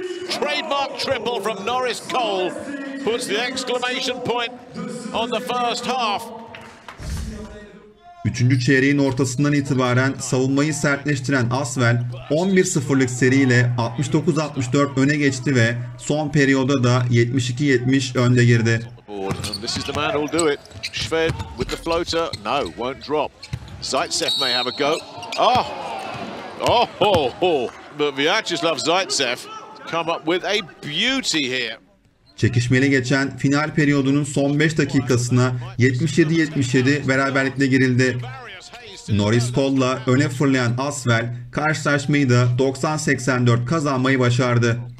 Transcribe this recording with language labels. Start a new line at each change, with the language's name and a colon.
English: Trademark triple from Norris Cole puts the exclamation point on the first half.
Turkish: Üçüncü çeyreğin ortasından itibaren savunmayı sertleştiren Asvel 11-0'lık seriyle 69-64 öne geçti ve son periyoda da 72-70 önde girdi.
English: This is the man who'll do it. Shved with the floater. No, won't drop. Zaitsev may have a go. Oh! Oh ho ho! But Vyacheslav Zaitsev come up with a beauty here.
Turkish: Çekişmeli geçen final periyodunun son 5 dakikasına 77-77 beraberlikle girildi. Norris Cole'la öne fırlayan Asvel karşılaşmayı da 90-84 kazanmayı başardı.